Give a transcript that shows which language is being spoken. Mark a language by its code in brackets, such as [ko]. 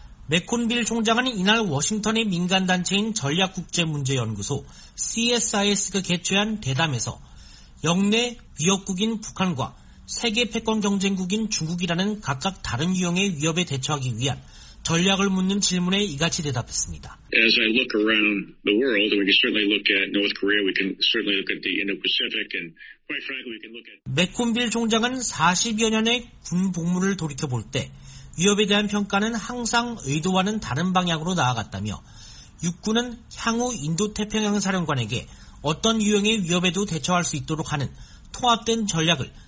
[ko] 맥콘빌 총장은 이날 워싱턴의 민간단체인 전략국제문제연구소 CSIS가 개최한 대담에서 역내 위협국인 북한과 세계 패권 경쟁국인 중국이라는 각각 다른 유형의 위협에 대처하기 위한 전략을 묻는 질문에 이같이 대답했습니다. [en] As I look around the world, we can certainly look at North Korea, we can certainly look at the Indo-Pacific, and quite frankly, we can look at. [ko] 맥콘빌 총장은 40여 년의 군 복무를 돌이켜볼 때 위협에 대한 평가는 항상 의도와는 다른 방향으로 나아갔다며 육군은 향후 인도태평양 사령관에게 어떤 유형의 위협에도 대처할 수 있도록 하는 통합된 전략을